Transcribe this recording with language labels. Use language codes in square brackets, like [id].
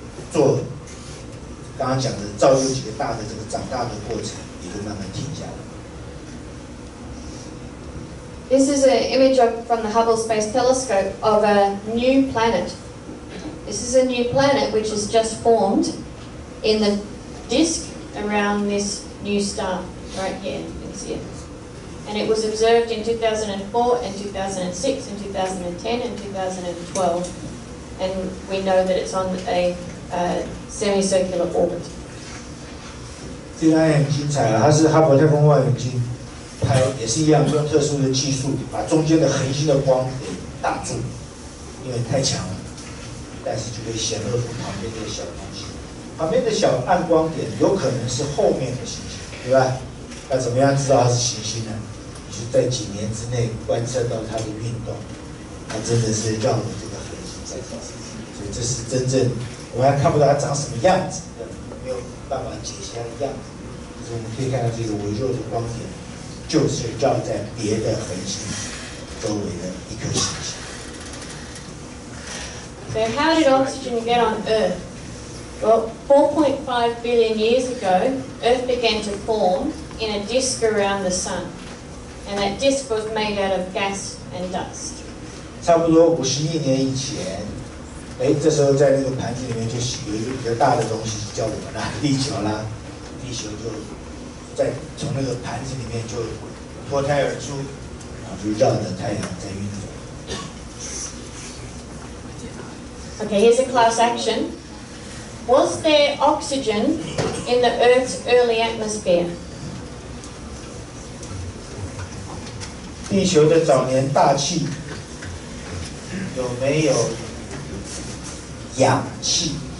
[zh] 做刚刚讲的造就几个大的这个长大的过程，也会慢慢停下来。 [en] This is an image from the Hubble Space Telescope of a new planet. This is a new planet which has just formed in the disk around this new star right here. You can see it. And it was observed in 2004 and 2006 and 2010 and 2012. And we know that it's on a semicircular orbit. This is very interesting. It's Hubble [zh] 拍也是一样，用特殊的技术把中间的恒星的光给挡住，因为太强了，但是就可以显露出旁边的小东西。旁边的小暗光点有可能是后面的行星，对吧？那怎么样知道它是行星呢？你就在几年之内观测到它的运动，它真的是绕着这个恒星在转。所以这是真正我们还看不到它长什么样子，没有办法解析它的样子，就是我们可以看到这个微弱的光点。就是照在别的恒星周围的一颗行星。 [en] So how did oxygen get on Earth? Well, 4.5 billion years ago, Earth began to form in a disk around the Sun, and that disk was made out of gas and dust. [zh] 差不多50亿年以前，哎，这时候在那个盘子里面就有一个比较大的东西，叫我们啦，地球啦，地球就。在从那个盘子里面就脱胎而出，然后就绕着太阳在运动。 [en] Okay, here's a class action. Was there oxygen in the Earth's early atmosphere? [zh] 地球的早年大气有没有氧气